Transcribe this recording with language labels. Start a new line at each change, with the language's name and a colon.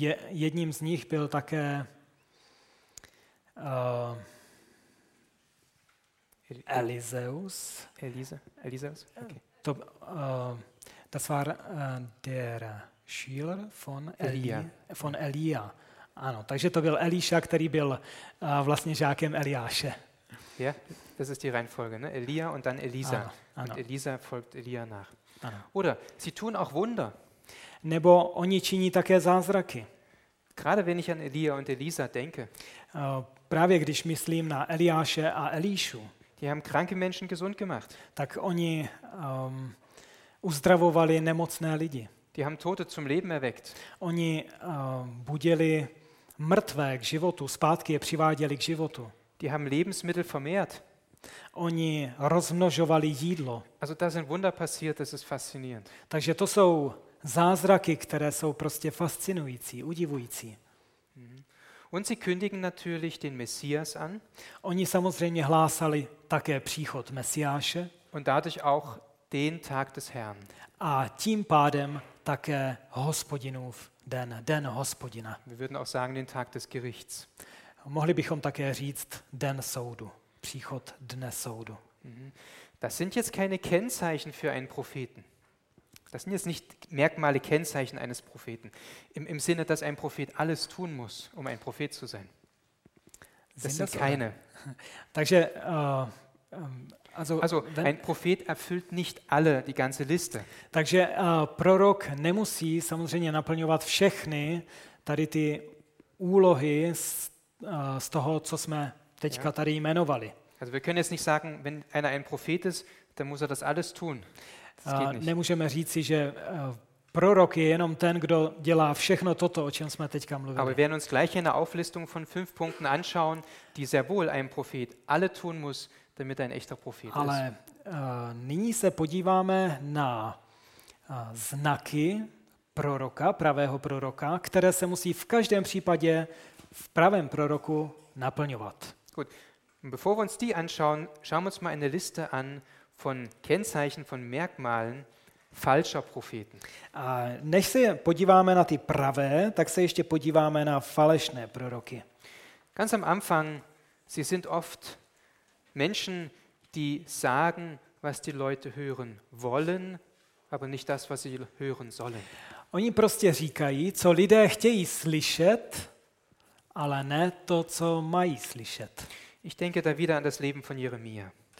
Czech: Jedním z nich byl také Eliseus. Eliseus? Okay.
German: Das war der Schüler von Elia. Von Elia.
Czech: Ano, takže to byl Eliša, který byl vlastně žákem Eliáše.
German: Ja, yeah, das ist die Reihenfolge, ne? Elia und dann Elisa.
Czech: Ano, ano.
German: Und Elisa folgt Elia nach.
Czech: Ano.
German: Oder sie tun auch Wunder.
Czech: Nebo oni činí také zázraky.
German: Gerade wenn ich an Elia und Elisa denke.
Czech: Právě když myslím na Eliáše a Elíšu.
German: Die haben kranke Menschen gesund gemacht.
Czech: Tak oni uzdravovali nemocné lidi.
German: Die haben Tote zum Leben erweckt.
Czech: Oni budili mrtvé k životu, zpátky je přiváděli k životu.
German: Die haben Lebensmittel vermehrt.
Czech: Oni rozmnožovali jídlo.
German: Also da sind Wunder passiert, das ist faszinierend.
Czech: Takže to jsou zázraky, které jsou prostě fascinující, udivující.
German: Und sie kündigen natürlich den Messias an.
Czech: Oni samozřejmě hlásali také příchod Mesiáše.
German: Und dadurch auch den Tag des Herrn.
Czech: A tím pádem také Hospodinův den, den Hospodina.
German: Wir würden auch sagen den Tag des Gerichts.
Czech: Mohli bychom také říct den soudu, příchod dne soudu.
German: Das sind jetzt keine Kennzeichen für einen Propheten. Das sind jetzt nicht Merkmale, Kennzeichen eines Propheten. Im Sinne, dass ein Prophet alles tun muss, um ein Prophet zu sein. Das sind keine.
Czech: Takže,
German: ein Prophet erfüllt nicht alle, die ganze Liste.
Czech: Takže prorok nemusí samozřejmě naplňovat všechny tady ty úlohy z toho, co jsme teďka tady jmenovali.
German: Also wir können jetzt nicht sagen, wenn einer ein Prophet ist, dann muss er das alles tun.
Czech: Nemůžeme říci, že prorok je jenom ten, kdo dělá všechno toto, o čem jsme teďka mluvili.
German: Aber wir werden uns gleich eine Auflistung von 5 Punkten anschauen, die sehr wohl ein Prophet alle tun muss, damit ein echter Prophet ist.
Czech: Ale nyní se podíváme na znaky proroka, pravého proroka, které se musí v každém případě v pravém proroku naplňovat.
German: Gut. Bevor wir uns die anschauen, schauen wir uns mal eine Liste an von Kennzeichen, von Merkmalen falscher Propheten.
Czech: A než se podíváme na ty pravé, tak se ještě podíváme na falešné proroky.
German: Ganz am Anfang, sie sind oft Menschen, die sagen, was die Leute hören wollen, aber nicht das, was sie hören sollen.
Czech: Oni prostě říkají, co lidé chtějí slyšet, ale ne to, co mají slyšet.
German: Ich denke da wieder an das Leben von Jeremia.